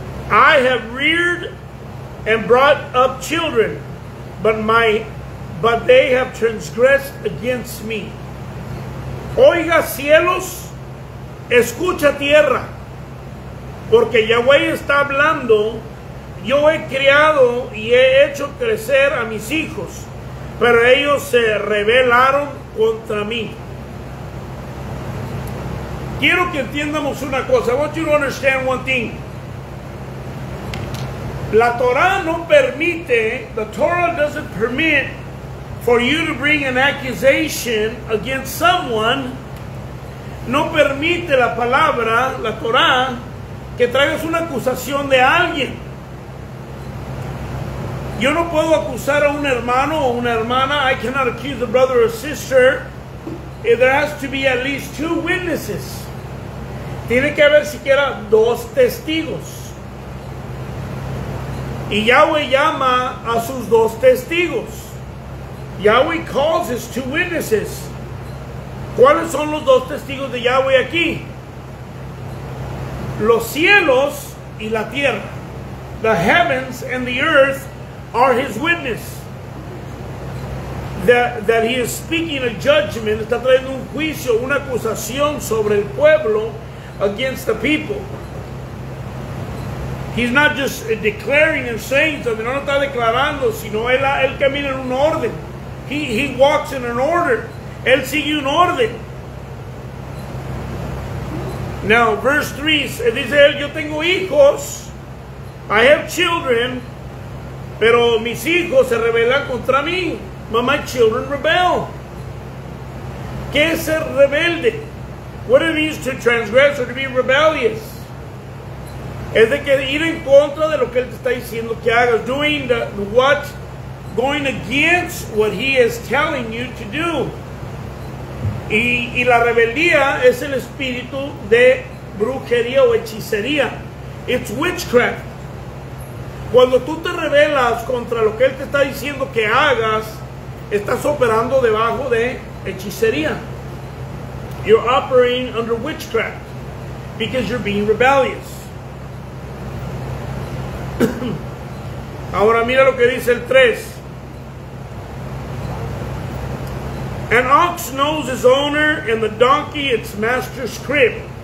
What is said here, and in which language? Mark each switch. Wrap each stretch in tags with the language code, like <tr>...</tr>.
<en>I have reared and brought up children, but they have transgressed against me.</en> <es>Oiga, cielos, escucha, tierra, porque Yahweh está hablando. Yo he criado y he hecho crecer a mis hijos, pero ellos se rebelaron contra mí. Quiero que entiendamos una cosa.</es> <en>I want you to understand one thing.</en> <es>La Torah no permite,</es> <en>the Torah doesn't permit for you to bring an accusation against someone.</en> <es>No permite la palabra, la Torah, que traigas una acusación de alguien. Yo no puedo acusar a un hermano o una hermana.</es> <en>I cannot accuse a brother or sister. There has to be at least two witnesses.</en> <es>Tiene que haber siquiera dos testigos. Y Yahweh llama a sus dos testigos.</es> <en>Yahweh calls his two witnesses.</en> <es>¿Cuáles son los dos testigos de Yahweh aquí? Los cielos y la tierra.</es> <en>The heavens and the earth are his witness. That he is speaking a judgment.</en> <es>Está trayendo un juicio, una acusación sobre el pueblo,</es> <en>against the people. He's not just declaring and saying something.</en> <es>No está declarando, sino él camina en un orden.</es> <en>He walks in an order.</en> <es>Él sigue un orden.</es> <en>Now, verse 3,</en> <es>dice él, yo tengo hijos.</es> <en>I have children.</en> <es>Pero mis hijos se rebelan contra mí.</es> <en>But my children rebel.</en> <es>¿Qué es ser rebelde?</es> <en>What it means to transgress or to be rebellious.</en> <es>Es de que ir en contra de lo que él te está diciendo que hagas.</es> <en>Doing going against what he is telling you to do.</en> <es>Y la rebeldía es el espíritu de brujería o hechicería.</es> <en>It's witchcraft.</en> <es>Cuando tú te rebelas contra lo que él te está diciendo que hagas, estás operando debajo de hechicería.</es> <en>You're operating under witchcraft because you're being rebellious.</en> <es>Ahora mira lo que dice el 3.</es> <en>An ox knows his owner and the donkey its master's crib.</en>